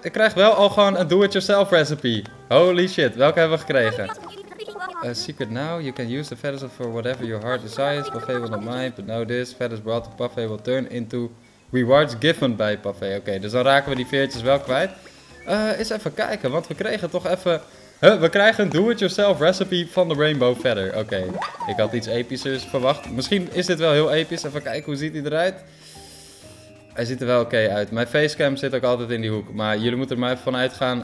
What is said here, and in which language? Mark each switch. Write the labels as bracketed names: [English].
[Dutch] Ik krijg wel al gewoon een do-it-yourself recipe. Holy shit, welke hebben we gekregen? [English] A secret now, you can use the feathers for whatever your heart desires. Parfait will not mind, but now this. Feathers brought to Parfait will turn into rewards given by Parfait. [Dutch] Oké, dus dan raken we die veertjes wel kwijt. Eens even kijken, want we kregen toch even... Huh, we krijgen een do-it-yourself recipe van de rainbow feather. Oké, ik had iets epischers verwacht. Misschien is dit wel heel episch. Even kijken, hoe ziet hij eruit? Hij ziet er wel oké uit. Mijn facecam zit ook altijd in die hoek. Maar jullie moeten er maar even van uitgaan.